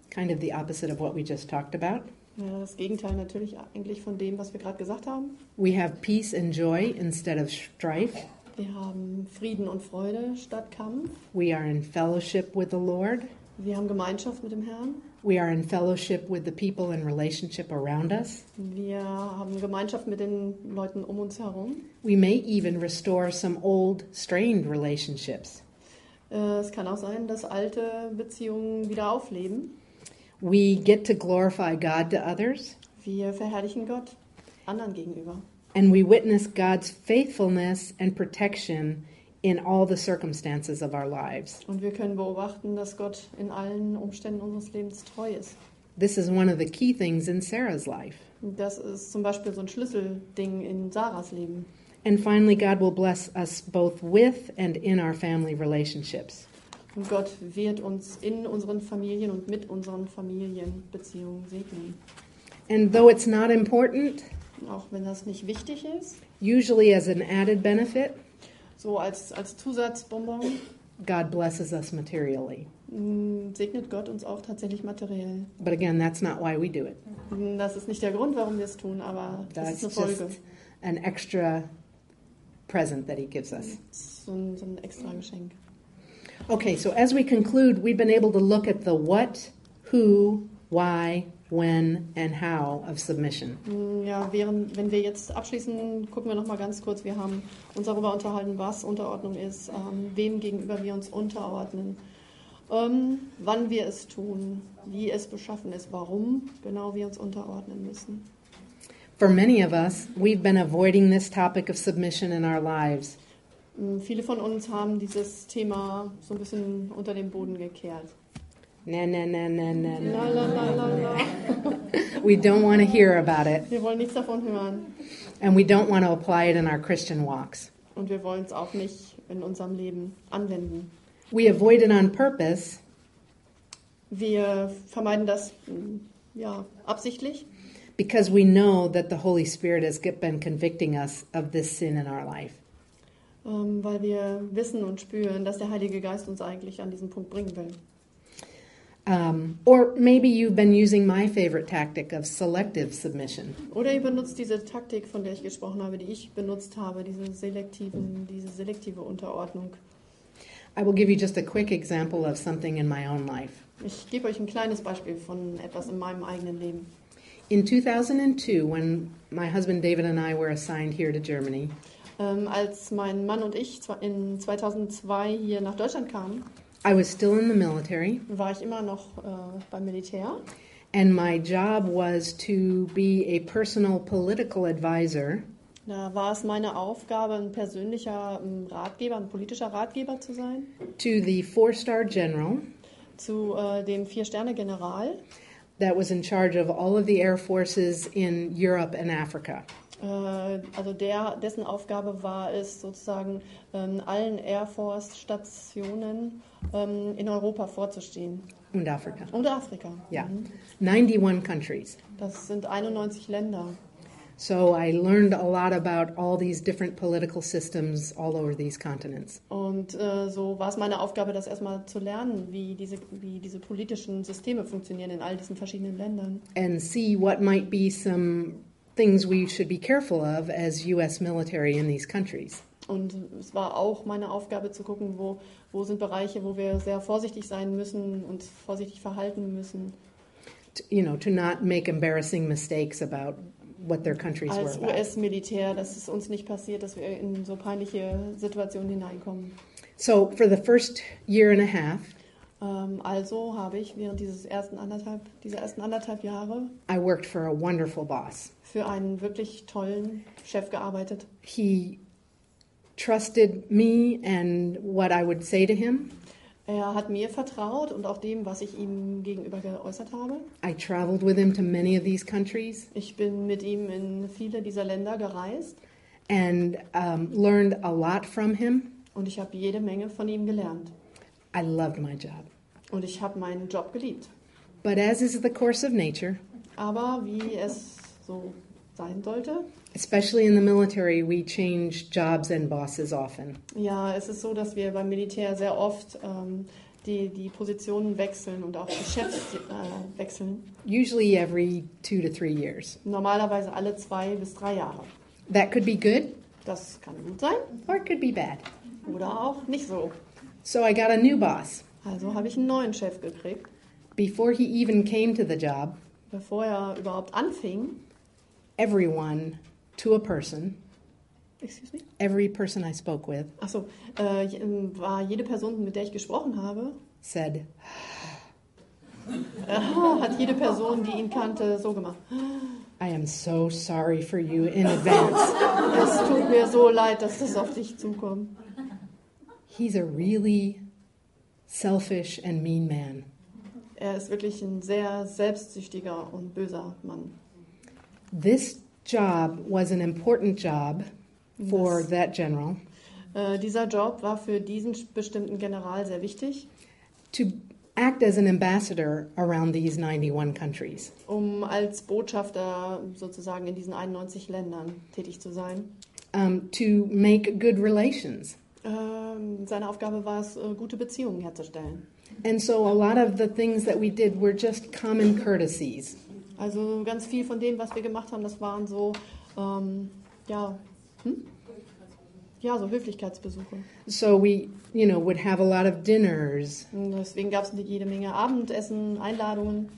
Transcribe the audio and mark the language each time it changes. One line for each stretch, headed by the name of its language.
English: Kind of the opposite of what we just talked about.
German: Ja, das Gegenteil natürlich eigentlich von dem, was wir gerade gesagt haben.
English: We have peace and joy instead of strife.
German: Wir haben Frieden und Freude statt Kampf.
English: We are in fellowship with the Lord.
German: Wir haben Gemeinschaft mit dem Herrn.
English: We are in fellowship with the people and relationship around us.
German: Wir haben Gemeinschaft mit den Leuten um uns herum.
English: We may even restore some old strained relationships.
German: Es kann auch sein, dass alte Beziehungen wieder aufleben.
English: We get to glorify God to others.
German: Wir verherrlichen Gott anderen gegenüber.
English: And we witness God's faithfulness and protection in all the circumstances of our lives.
German: Und wir können beobachten, dass Gott in allen Umständen unseres Lebens treu ist.
English: This is one of the key things in Sarah's life.
German: Das ist zum Beispiel so ein Schlüsselding in Sarahs Leben.
English: And finally, God will bless us both with and in our family relationships.
German: Und Gott wird uns in unseren Familien und mit unseren Familienbeziehungen segnen.
English: And though it's not important,
German: auch wenn das nicht wichtig ist,
English: usually as an added benefit,
German: so als Zusatzbonbon,
English: God blesses us materially.
German: Segnet Gott uns auch tatsächlich materiell.
English: But again, that's not why we do it.
German: Das ist nicht der Grund, warum wir es tun, aber das ist eine Folge.
English: Just an extra present that he gives us.
German: So ein extra Geschenk.
English: Okay, so as we conclude, we've been able to look at the what, who, why, when and how of submission.
German: Ja, wenn wir jetzt abschließen, gucken wir noch mal ganz kurz. Wir haben uns darüber unterhalten, was Unterordnung ist, wem gegenüber wir uns unterordnen, wann wir es tun, wie es beschaffen ist, warum genau wir uns unterordnen müssen.
English: For many of us, we've been avoiding this topic of submission in our lives.
German: Viele von uns haben dieses Thema so ein bisschen unter den Boden gekehrt.
English: Na. We don't want to hear about it.
German: Wir wollen nichts davon hören.
English: And we don't want to apply it in our Christian walks.
German: Und wir wollen es auch nicht in unserem Leben anwenden.
English: We avoid it on purpose.
German: Wir vermeiden das ja absichtlich.
English: Because we know that the Holy Spirit has been convicting us of this sin in our life.
German: Weil wir wissen und spüren, dass der Heilige Geist uns eigentlich an diesen Punkt bringen will.
English: Or maybe you've been using my favorite tactic of selective submission.
German: Oder ihr benutzt diese Taktik, von der ich gesprochen habe, die ich benutzt habe, diese selektive Unterordnung.
English: I will give you just a quick example of something in my own life.
German: Ich gebe euch ein kleines Beispiel von etwas in meinem eigenen Leben.
English: In 2002, when my husband David and I were assigned here to Germany,
German: Als mein Mann und ich in 2002 hier nach Deutschland kamen,
English: I was still in the military.
German: War ich immer noch beim Militär.
English: And my job was to be a personal political advisor.
German: Da war es meine Aufgabe, ein persönlicher Ratgeber, ein politischer Ratgeber zu sein.
English: To the four-star general.
German: Zu dem Vier-Sterne-General.
English: That was in charge of all of the air forces in Europe and Africa.
German: Also dessen Aufgabe war es, sozusagen allen Air Force-Stationen in Europa vorzustehen. Und Afrika. Und Afrika.
English: Ja, yeah. 91 countries.
German: Das sind 91 Länder.
English: So I learned a lot about all these different political systems all over these continents.
German: Und so war es meine Aufgabe, das erstmal zu lernen, wie diese politischen Systeme funktionieren in all diesen verschiedenen Ländern.
English: And see what might be some things we should be careful of as U.S. military in these countries.
German: Und es war auch meine Aufgabe zu gucken, wo sind Bereiche, wo wir sehr vorsichtig sein müssen und vorsichtig verhalten müssen.
English: to not make embarrassing mistakes about what their countries
German: als
English: were about.
German: Als US-Militär, dass es uns nicht passiert, dass wir in so peinliche Situationen hineinkommen.
English: So for the first year and a half,
German: also habe ich während dieser ersten anderthalb Jahre
English: I worked for a wonderful boss.
German: Für einen wirklich tollen Chef gearbeitet.
English: He trusted me and what I would say to him.
German: Er hat mir vertraut und auch dem, was ich ihm gegenüber geäußert habe.
English: I traveled with him to many of these countries.
German: Ich bin mit ihm in viele dieser Länder gereist.
English: And learned a lot from him.
German: Und ich habe jede Menge von ihm gelernt.
English: I loved my job.
German: Und ich habe meinen Job geliebt.
English: But as is the course of nature.
German: Aber wie es so sein sollte.
English: Especially in the military, we change jobs and bosses often.
German: Ja, es ist so, dass wir beim Militär sehr oft die Positionen wechseln und auch die Chefs wechseln.
English: Usually every 2 to 3 years.
German: Normalerweise alle 2 bis 3 Jahre.
English: That could be good.
German: Das kann gut sein.
English: Or it could be bad.
German: Oder auch nicht so.
English: So I got a new boss.
German: Also habe ich einen neuen Chef gekriegt.
English: Before he even came to the job.
German: Bevor er überhaupt anfing.
English: Everyone to a person. Excuse me? Every person I spoke with.
German: Ach so, war jede Person, mit der ich gesprochen habe.
English: Said.
German: Hat jede Person, die ihn kannte, so gemacht.
English: I am so sorry for you in advance.
German: Es tut mir so leid, dass das auf dich zukommt.
English: He's a really selfish and mean man.
German: Er ist wirklich ein sehr selbstsüchtiger und böser Mann.
English: This job was an important job for that general.
German: Dieser Job war für diesen bestimmten General sehr wichtig.
English: To act as an ambassador around these 91 countries.
German: Um als Botschafter sozusagen in diesen 91 Ländern tätig zu sein.
English: To make good relations.
German: Seine Aufgabe war es, gute Beziehungen herzustellen.
English: And so a lot of the things that we did were just common courtesies.
German: Also ganz viel von dem, was wir gemacht haben, das waren so, so Höflichkeitsbesuche.
English: So we, would have a lot of dinners.
German: Und deswegen gab es jede Menge Abendessen, Einladungen.